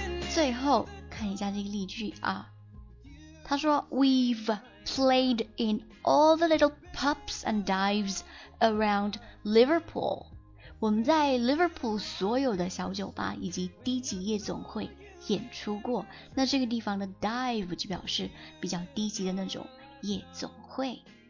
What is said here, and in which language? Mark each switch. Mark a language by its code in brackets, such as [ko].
[zh] 最后看一下这个例句啊。他说 [en] ，We've played in all the little pubs and dives around Liverpool. [zh] 我们在 Liverpool 所有的小酒吧以及低级夜总会演出过。那这个地方的 dive 就表示比较低级的那种夜总会。